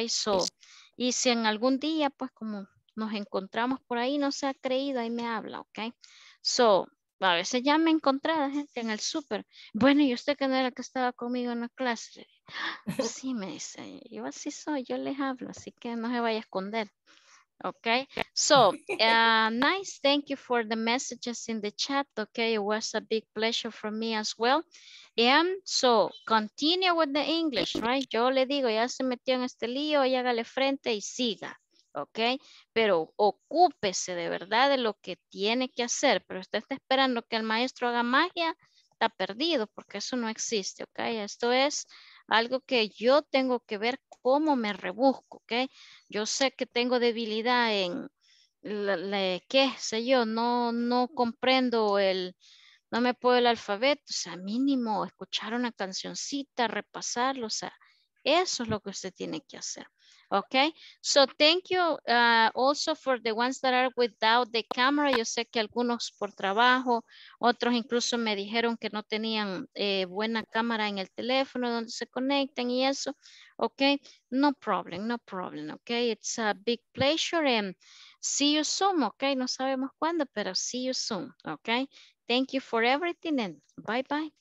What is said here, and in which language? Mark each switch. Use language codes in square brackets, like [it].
[es] So, y si en algún día, pues como nos encontramos por ahí, no se ha creído, ahí me habla, ¿ok? So, a veces ya me encontraba gente en el súper. Bueno, ¿y usted que no era el que estaba conmigo en la clase? Sí, me dice, yo así soy, yo les hablo, así que no se vaya a esconder. [en] Ok, so, nice, thank you for the messages in the chat, ok, it was a big pleasure for me as well. And so, continue with the English, right? [es] Yo le digo, ya se metió en este lío, y hágale frente y siga. Ok, pero ocúpese de verdad de lo que tiene que hacer, pero usted está esperando que el maestro haga magia, está perdido porque eso no existe, ok, esto es algo que yo tengo que ver cómo me rebusco, ok, yo sé que tengo debilidad en, qué sé yo, no comprendo el, no me puedo el alfabeto, o sea, mínimo escuchar una cancioncita, repasarlo, o sea, eso es lo que usted tiene que hacer. [en] Okay, so thank you also for the ones that are without the camera. [es] Yo sé que algunos por trabajo, otros incluso me dijeron que no tenían buena cámara en el teléfono donde se conecten y eso. [en] Okay, no problem, no problem. Okay, it's a big pleasure and see you soon. Okay, [es] no sabemos cuándo, pero [en] see you soon. Okay, thank you for everything and bye bye.